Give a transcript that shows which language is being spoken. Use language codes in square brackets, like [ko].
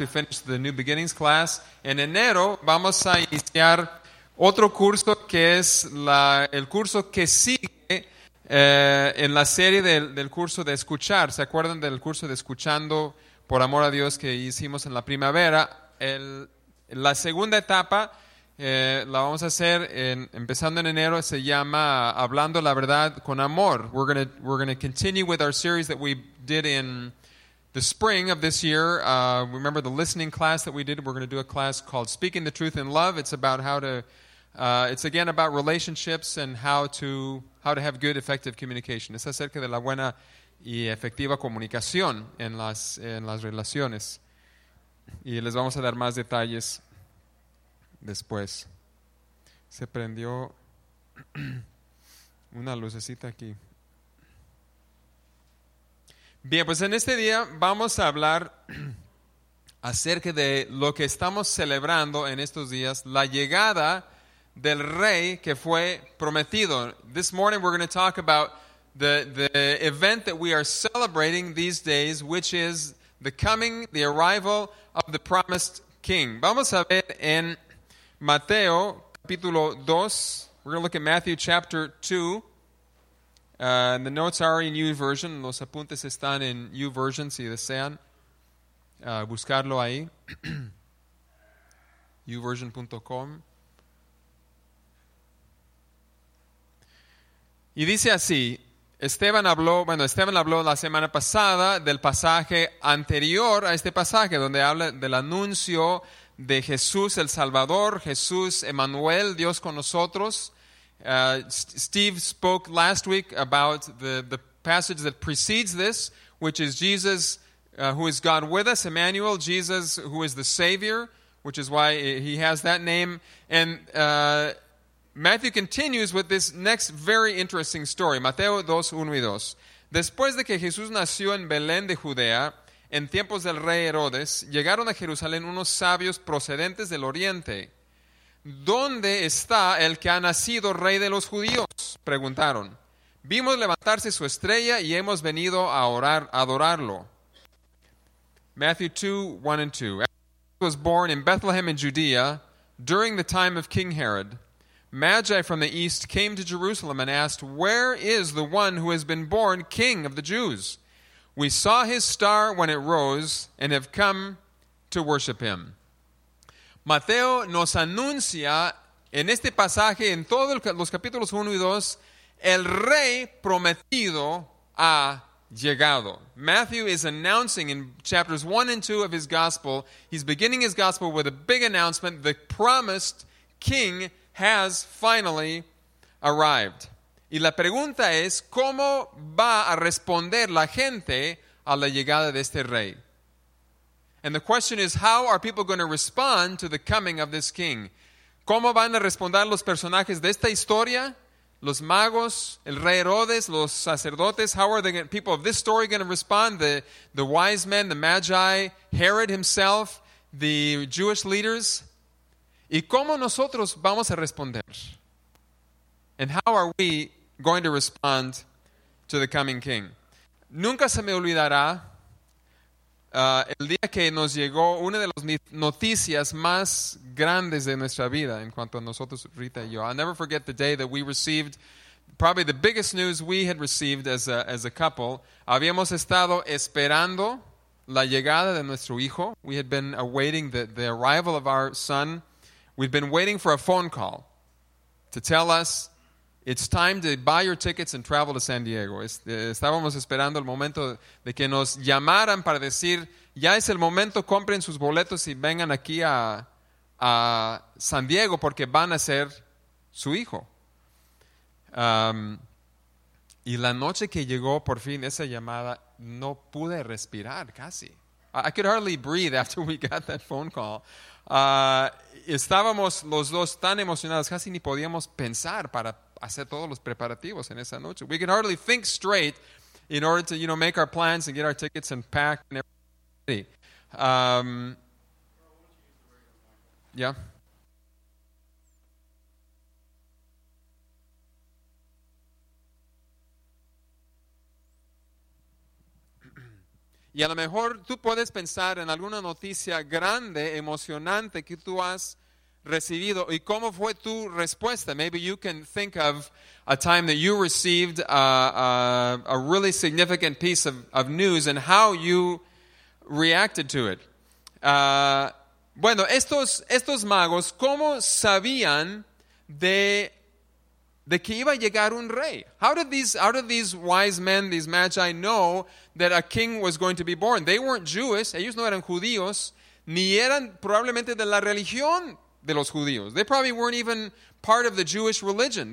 [en] We finished the New Beginnings class. [es] En enero vamos a iniciar otro curso que es el curso que sigue en la serie del curso de escuchar. ¿Se acuerdan del curso de escuchando por amor a Dios que hicimos en la primavera? La segunda etapa la vamos a hacer empezando en enero. Se llama Hablando la Verdad con Amor. [en] We're gonna continue with our series that we did in the spring of this year. Remember the listening class that we did? We're going to do a class called Speaking the Truth in Love. It's about how to, it's again about relationships and how to have good, effective communication. [es] Es acerca de la buena y efectiva comunicación en las relaciones. Y les vamos a dar más detalles después. Se prendió una lucecita aquí. Bien, pues en este día vamos a hablar acerca de lo que estamos celebrando en estos días, la llegada del rey que fue prometido. [en] This morning we're going to talk about the event that we are celebrating these days, which is the coming, the arrival of the promised king. [es] Vamos a ver en Mateo capítulo 2, [en] we're going to look at Matthew chapter 2. And the notes are in YouVersion. [es] Los apuntes están en YouVersion, si desean buscarlo ahí. YouVersion.com. Y dice así, Esteban habló la semana pasada del pasaje anterior a este pasaje, donde habla del anuncio de Jesús el Salvador, Jesús Emmanuel, Dios con nosotros. [en] Steve spoke last week about the passage that precedes this, which is Jesus, who is God with us, Emmanuel, Jesus, who is the Savior, which is why he has that name. And Matthew continues with this next very interesting story, [es] Mateo 2, 1 y 2. Después de que Jesús nació en Belén de Judea, en tiempos del rey Herodes, llegaron a Jerusalén unos sabios procedentes del Oriente. ¿Dónde está el que ha nacido rey de los judíos? Preguntaron. Vimos levantarse su estrella y hemos venido a orar, a adorarlo. [en] Matthew 2, 1 and 2. Jesus was born in Bethlehem in Judea during the time of King Herod. Magi from the east came to Jerusalem and asked, "Where is the one who has been born king of the Jews? We saw his star when it rose and have come to worship him." [es] Mateo nos anuncia en este pasaje, en todos los capítulos 1 y 2, el rey prometido ha llegado. [en] Matthew is announcing in chapters 1 and 2 of his gospel, he's beginning his gospel with a big announcement, the promised king has finally arrived. [es] Y la pregunta es, ¿cómo va a responder la gente a la llegada de este rey? [en] And the question is, how are people going to respond to the coming of this king? [es] ¿Cómo van a responder los personajes de esta historia? Los magos, el rey Herodes, los sacerdotes. [en] How are the people of this story going to respond? The wise men, the magi, Herod himself, the Jewish leaders. [es] ¿Y cómo nosotros vamos a responder? [en] And how are we going to respond to the coming king? [es] Nunca se me olvidará el día que nos llegó una de las noticias más grandes de nuestra vida en cuanto a nosotros, Rita y yo. [en] I'll never forget the day that we received probably the biggest news we had received as a couple. [es] Habíamos estado esperando la llegada de nuestro hijo. [en] We had been awaiting the arrival of our son. We'd been waiting for a phone call to tell us it's time to buy your tickets and travel to San Diego. [es] Estábamos esperando el momento de que nos llamaran para decir, ya es el momento, compren sus boletos y vengan aquí a San Diego porque van a ser su hijo. Y la noche que llegó por fin esa llamada, no pude respirar casi. [en] I could hardly breathe after we got that phone call. [es] Estábamos los dos tan emocionados, casi ni podíamos pensar para hacer todos los preparativos en esa noche. [en] We can hardly think straight in order to, you know, make our plans and get our tickets and pack and everything ready. Yeah. [es] Y a lo mejor tú puedes pensar en alguna noticia grande, emocionante que tú has recibido y cómo fue tu respuesta. [en] Maybe you can think of a time that you received a really significant piece of news and how you reacted to it. [es] Bueno, estos magos, ¿cómo sabían de que iba a llegar un rey? [en] How did these wise men, these magi, know that a king was going to be born? They weren't Jewish, [es] ellos no eran judíos, ni eran probablemente de la religión de los judíos. [en] They probably weren't even part of the Jewish religion.